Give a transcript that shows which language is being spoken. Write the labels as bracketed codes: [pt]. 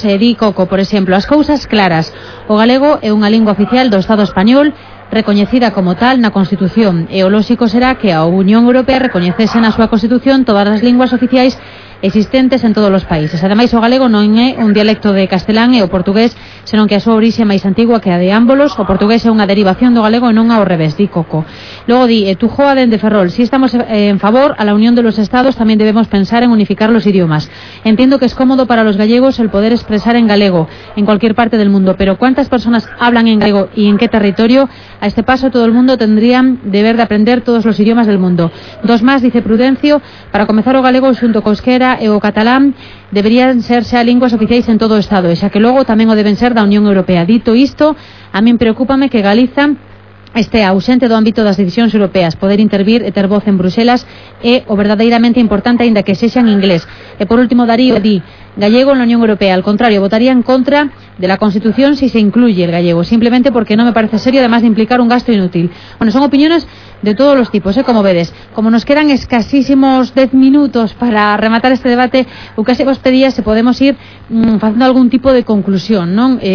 [gl] Di Coco, por exemplo, as cousas claras. O galego é unha lingua oficial do Estado español, recoñecida como tal na Constitución, e o lógico será que a Unión Europea recoñecese na súa Constitución todas as linguas oficiais existentes en todos os países. Ademais, o galego non é un dialecto de castelán e o portugués, senón que a súa orixe é máis antigua que a de ámbolos. O portugués é unha derivación do galego e non ao revés, di Coco. Logo di, [es] Tujoa dende Ferrol, si estamos en favor a la unión de los estados, [gl] tamén debemos [es] pensar en unificar los idiomas. Entiendo que es cómodo para los gallegos el poder expresar en galego en cualquier parte del mundo, pero ¿cuántas personas hablan en galego y en qué territorio? A este paso todo el mundo tendría deber de aprender todos los idiomas del mundo. Dos más, dice Prudencio, [gl] para comenzar o galego xunto co euskera e o catalán deberían ser xa linguas oficiais en todo o estado, xa que logo tamén o deben ser da Unión Europea. Dito isto, a min preocúpame que Galiza este ausente do ámbito das decisións europeas, poder intervir e ter voz en Bruselas é o verdadeiramente importante, aínda que sexa en inglés. E por último, [es] Darío di, gallego en la Unión Europea, al contrario, votaría en contra de la Constitución si se incluye el gallego, simplemente porque no me parece serio, además de implicar un gasto inútil. Bueno, son opiniones de todos los tipos, como vedes. [gl] Como nos quedan escasísimos 10 minutos para rematar este debate, o que se vos pedía se podemos ir facendo algún tipo de conclusión, non?